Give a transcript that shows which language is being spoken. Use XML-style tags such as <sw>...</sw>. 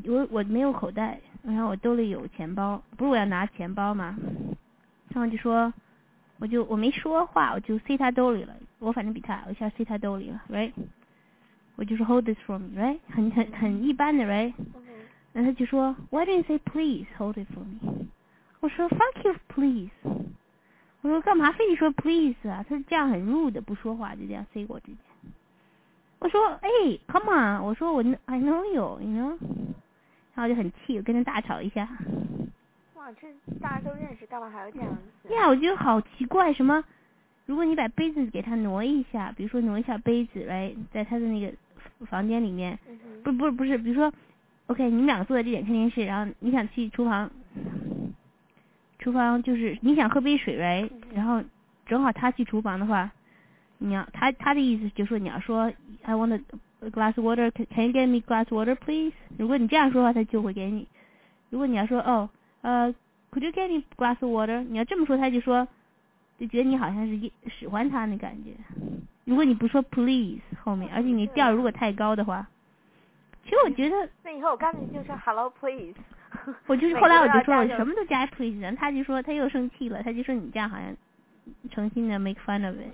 <zh>我没有口袋，然后我兜里有钱包，不是我要拿钱包吗？然后就说，我没说话，我就塞他兜里了，我反正比他，我一下塞他兜里了 ，right？我就说</zh> <en>hold this for me，right？</en> <zh>很一般的</zh> <en>，right？</en> <zh>然后他就说</zh> <en>why didn't you say please hold it for me？</en> <zh>我说</zh> <en>fuck you please，</en> <zh>我说干嘛非得说 please 啊？他这样很 rude， 不说话就这样塞过直接。我说哎 ，come on， 我说我</zh> <en>I know you， you know，</en> <zh>然后就很气，我跟他大吵一下。哇，这大家都认识，干嘛还要这样子？呀、yeah, ，我觉得好奇怪，什么？如果你把杯子给他挪一下，比如说挪一下杯子，来、right, 在他的那个房间里面，嗯、不是，比如说 ，OK， 你们两个坐在这点看电视，然后你想去厨房就是你想喝杯水，来、right, 嗯，然后正好他去厨房的话。你要他的意思就是说你要说</zh> <en>I want a glass of water can you get me glass of water please，</en> <zh>如果你这样说话他就会给你，如果你要说哦</zh> <en>could you get me glass of water，</en> <zh>你要这么说他就说就觉得你好像是喜欢他那感觉。如果你不说 please 后面，而且你调如果太高的话，其实我觉得那以后我刚才就说 hello please，我就是后来我就说我什么都加 please， 然后他就说他又生气了，他就说你这样好像诚心的</zh> <en>make fun of it。</en>